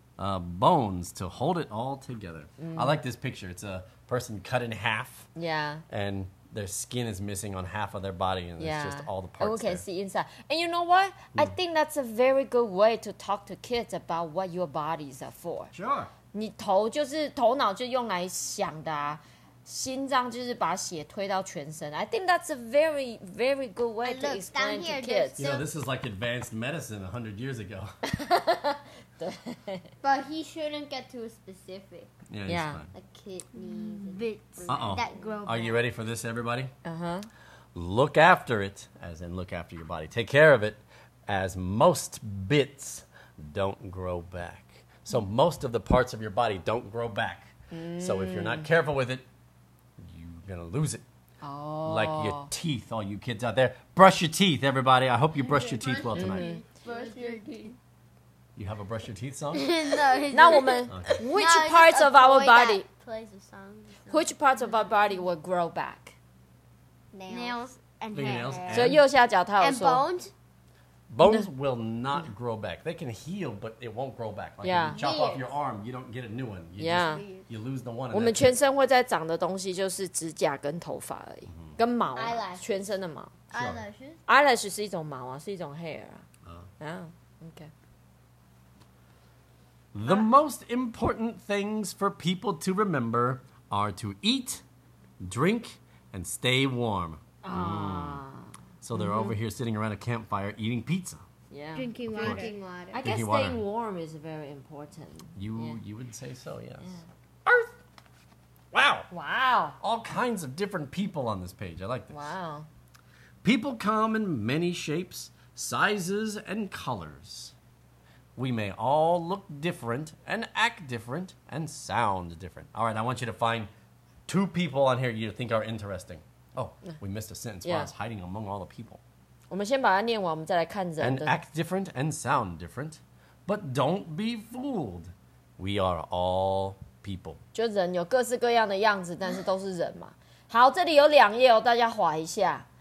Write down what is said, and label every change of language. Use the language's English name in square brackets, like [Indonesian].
[English] Bones to hold it all together. Mm. I like this picture. It's a person cut in half. Yeah. And their skin is missing on half of their body, and it's just all the parts there. Okay, see inside. And you know what? Mm. I think that's a very good way to talk to kids about what your bodies are for. Sure. [Chinese] 你头就是头脑就用来想的啊。心脏就是把血推到全身。 [English] I think that's a very, very good way to explain to kids. You know, this is like advanced medicine 100 years ago. But he shouldn't get too specific. Yeah, he's fine. A kidney. Bits. Uh-oh. That grow. Are you ready for this, everybody? Uh-huh. Look after it, as in look after your body. Take care of it, as most bits don't grow back. So most of the parts of your body don't grow back. Mm. So if you're not careful with it, gonna lose it. Oh. Like your teeth, all you kids out there. Brush your teeth, everybody. I hope you brush your teeth well tonight. Brush your teeth. You have a brush your teeth song? No. Now, woman, which parts of our body plays a song? Which parts of our body will grow back? Nails and hair. [Chinese] So, 右下角他有说, [English] and bones? Bones will not grow back. They can heal, but it won't grow back. Like if you chop off your arm, you don't get a new one. You lose the one. [Chinese] 我们全身会在长的东西就是指甲跟头发而已，跟毛啊，全身的毛。 [English] Eyelashes [Chinese] 是一种毛啊，是一种 hair 啊。Okay. [English] The most important things for people to remember are to eat, drink, and stay warm. So they're over here sitting around a campfire eating pizza. Yeah. Drinking water. I guess staying warm is very important. You would say so, yes. Yeah. Wow. All kinds of different people on this page. I like this. Wow. People come in many shapes, sizes, and colors. We may all look different and act different and sound different. All right, I want you to find two people on here you think are interesting. Oh, we missed a sentence while I was hiding among all the people. [Chinese] 我们先把它念完，我们再来看人。 [English] And act different and sound different. But don't be fooled. We are all people. [Chinese] 就人有各式各样的样子，但是都是人嘛。好，这里有两页哦，大家滑一下。